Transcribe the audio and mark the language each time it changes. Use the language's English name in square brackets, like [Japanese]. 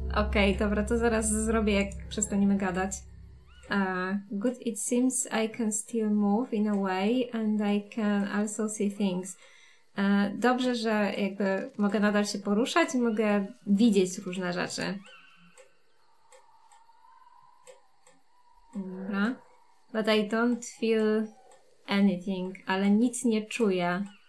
[Polish] Okej, okay, dobra, to zaraz zrobię, jak przestaniemy gadać. [English] Good, it seems I can still move in a way and I can also see things. [Polish] Dobrze, że jakby mogę nadal się poruszać i mogę widzieć różne rzeczy. Dobra. [English] But I don't feel anything, [Polish] ale nic nie czuję.